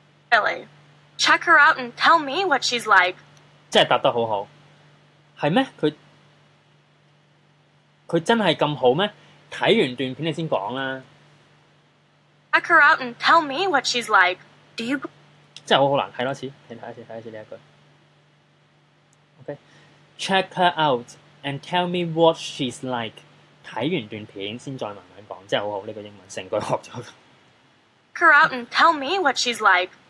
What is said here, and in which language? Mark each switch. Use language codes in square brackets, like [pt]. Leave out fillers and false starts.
[en] Really? Check her out and tell me what she's like。 [yue] 真係答得好好，係咩？佢真係咁好咩？睇完段片你先講啦。 [en] Check her out and tell me what she's like。 Do you？ [yue] 真係好難睇多次，睇一次呢一句。 [en] OK，check、okay. her out and tell me what she's like。 [yue] 睇完段片先再慢慢講，真係好好呢、這個英文，成句學咗。 [en] Check her out and tell me what she's like。